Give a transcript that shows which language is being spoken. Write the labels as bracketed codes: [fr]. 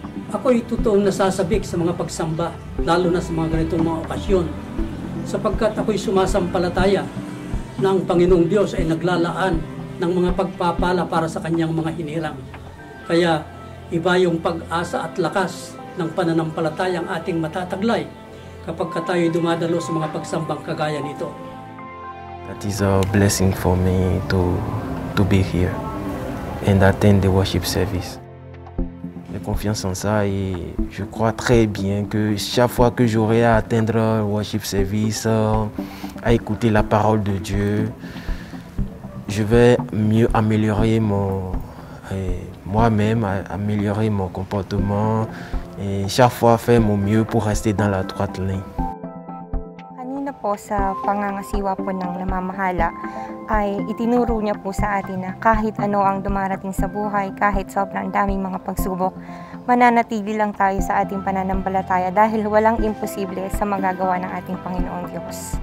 [tl] Ako'y totoong nasasabik sa mga pagsamba, lalo na sa mga ganitong mga okasyon, sapagkat ako'y sumasampalataya na ang Panginoong Diyos ay naglalaan ng mga pagpapala para sa kanyang mga hinirang. Kaya iba yung pag-asa at lakas ng pananampalataya ang ating matataglay kapag tayo'y dumadalo sa mga pagsambang kagaya nito. [en] That is a blessing for me to be here and attend the worship service. [fr] Confiance en ça et je crois très bien que chaque fois que j'aurai à atteindre le worship service, à écouter la parole de Dieu, je vais mieux améliorer moi-même, améliorer mon comportement et chaque fois faire mon mieux pour rester dans la droite ligne. [tl] Kanina po sa pangangasiwa po ng namamahala ay itinuro niya po sa atin na kahit ano ang dumarating sa buhay, kahit sobrang daming mga pagsubok, mananatili lang tayo sa ating pananampalataya dahil walang imposible sa magagawa ng ating Panginoong Diyos.